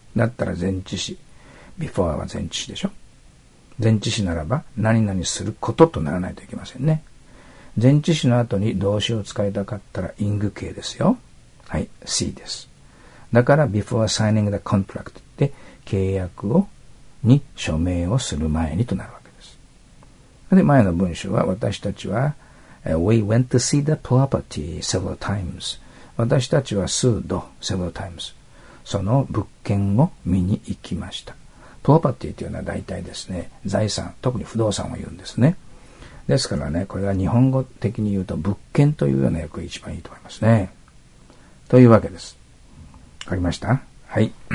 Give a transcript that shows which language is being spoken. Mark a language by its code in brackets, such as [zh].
[ja] だったら前置詞、before は前置詞でしょ。前置詞ならば何々することとならないといけませんね。前置詞の後に動詞を使いたかったら ing 形ですよ。はい、C です。だから [en] before signing the contract [ja] って契約をに署名をする前にとなるわけです。で、前の文章は、私たちは [en] We went to see the property several times。 [ja] 私たちは数度、several times、その物件を見に行きました。 property というのは大体ですね、財産、特に不動産を言うんですね。ですからね、これは日本語的に言うと物件というような訳が一番いいと思いますね。というわけです。わかりました?はい。